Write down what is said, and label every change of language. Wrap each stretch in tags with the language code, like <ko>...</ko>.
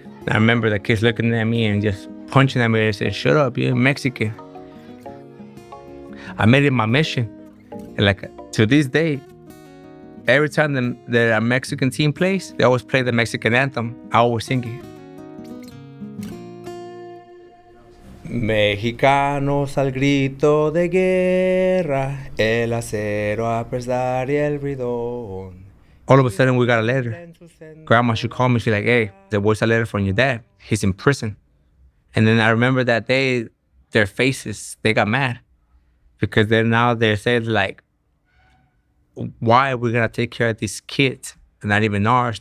<en>And I remember the kids looking at me and just punching at me and saying, shut up, you're Mexican. I made it my mission. And like to this day, every time that a Mexican team plays, they always play the Mexican anthem. I always sing it.</en> <es>Mexicanos al grito de guerra, el acero a pesar y el bridón.</es> <en>All of a sudden, we got a letter. Grandma, she called me. She's like, hey, there was a letter from your dad. He's in prison. And then I remember that day, their faces, they got mad. Because then now they said, like, why are we going to take care of these kids? Not even ours.</en>